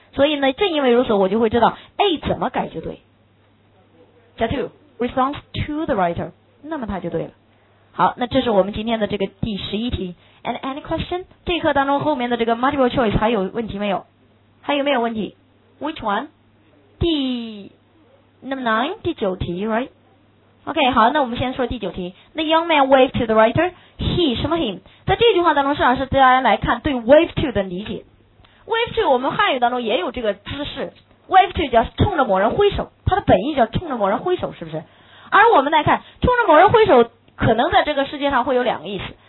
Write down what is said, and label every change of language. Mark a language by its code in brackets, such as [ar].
[zh] 所以呢，正因为如此我就会知道 A 怎么改就对，加 to， [en] response to the writer， [zh] 那么它就对了。好，那这是我们今天的这个第十一题。 [en] And any question？ [zh] 这课当中后面的这个 multiple choice 还有问题没有？还有没有问题？ [en] Which one？ [zh] 第 number nine， 第九题 right？ OK， 好，那我们先说第九题。 [en] The young man waved to the writer， he [zh] 什么 [en] him？ [zh] 在这句话当中，实际上是大家来看对 wave to 的理解。wave to 我们汉语当中也有这个姿势， wave to 叫冲着某人挥手，它的本意叫冲着某人挥手，是不是？而我们来看冲着某人挥手可能在这个世界上会有两个意思。